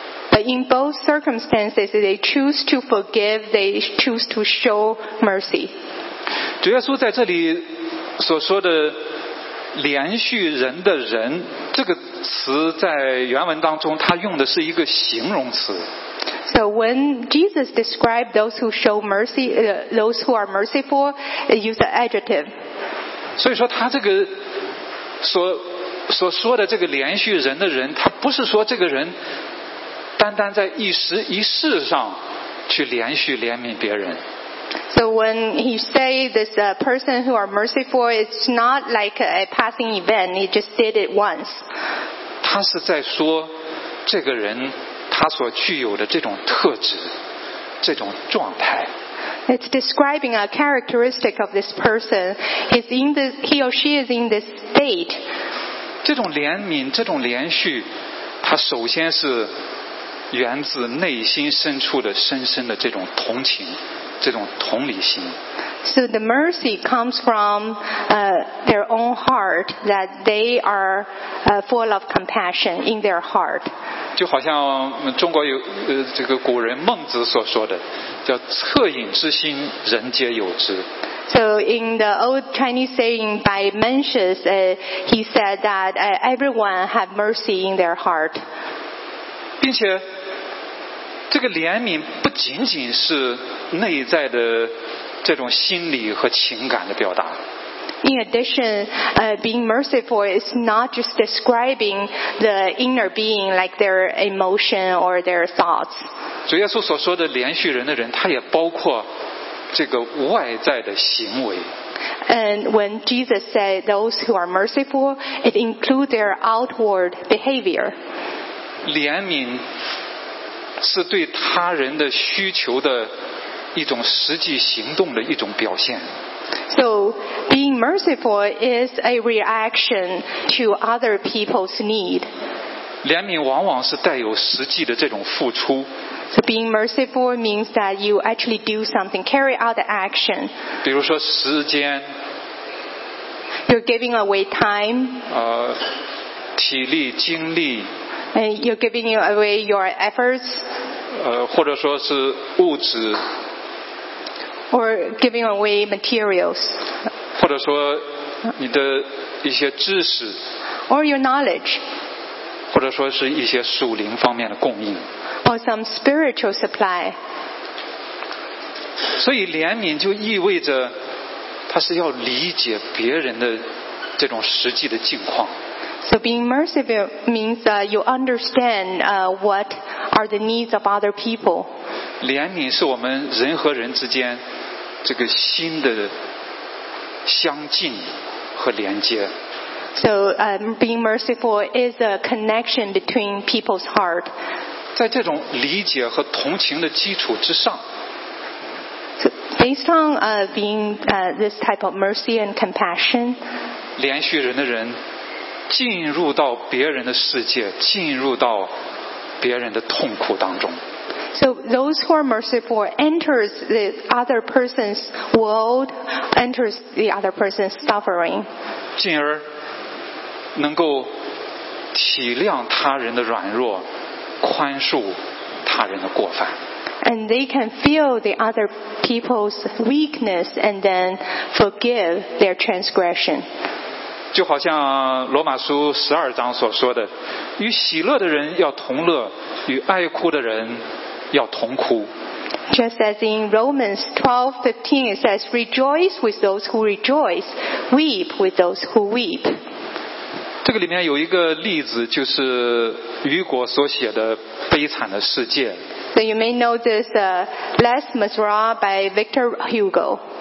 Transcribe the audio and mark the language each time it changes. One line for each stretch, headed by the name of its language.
English: But in both circumstances, they choose to forgive, they choose to show mercy.
Chinese: 主耶稣在这里所说的连续人的人这个词在原文当中它用的是一个形容词。
English: So when Jesus described those who show mercy, those who are merciful, they use an adjective.
Chinese: 所以说他这个所说的这个连续人的人，他不是说这个人单单在一时一事上去连续怜悯别人。
English: So when he say this person who are merciful, it's not like a passing event. He just did it once.
Chinese: 他是在说这个人他所具有的这种特质，这种状态。
English: It's describing a characteristic of this person. He's in this, he or she is in this state.
Chinese: 这种怜悯，这种连续，它首先是源自内心深处的深深的这种同情，这种同理心。
English: So the mercy comes from their own heart, that they are full of compassion in their heart.
Chinese: 就好像中国有这个古人孟子所说的，叫恻隐之心，人皆有之。
English: So in the old Chinese saying by Mencius, he said that everyone have mercy in their heart.
Chinese: 并且这个怜悯不仅仅是内在的这种心理和情感的表达。
English: In addition, being merciful is not just describing the inner being, like their emotion or their thoughts.
Chinese: 主耶稣所说的连续人的人，他也包括这个外在的行为。
English: And when Jesus said those who are merciful, it includes their outward behavior.
Chinese: 怜悯是对他人的需求的一种实际行动的一种表现。
English: So being merciful is a reaction to other people's need.
Chinese: 怜悯往往是带有实际的这种付出。
English: So being merciful means that you actually do something, carry out the action.
Chinese: 比如说时间。
English: You're giving away time.
Chinese: 体力、精力。
English: And you're giving away your efforts.
Chinese: 或者说是物质。
English: Or giving away materials.
Chinese: 或者说你的一些知识。
English: Or your knowledge.
Chinese: 或者说是一些属灵方面的供应。
English: Or some spiritual supply.
Chinese: 所以怜悯就意味着它是要理解别人的这种实际的境况。
English: So being merciful means you understand what are the needs of other people.
Chinese: 怜悯是我们人和人之间这个心的相近和连接。
English: So being merciful is a connection between people's heart.
Chinese: 在这种理解和同情的基础之上。
English: So based on being this type of mercy and compassion.
Chinese: 连续人的人进入到别人的世界，进入到别人的痛苦当中。
English: So those who are merciful enters the other person's world, enters the other person's suffering.
Chinese: 进而能够体谅他人的软弱，宽恕他人的过犯。
English: And they can feel the other people's weakness and then forgive their transgression.
Chinese: 就好像罗马书十二章所说的，与喜乐的人要同乐，与哀哭的人要同哭。
English: Just as in Romans 12:15 it says, "Rejoice with those who rejoice, weep with those who weep."
Chinese: 这个里面有一个例子，就是雨果所写的《悲惨的世界》。
English: So you may know this "Les Miserables" by Victor Hugo.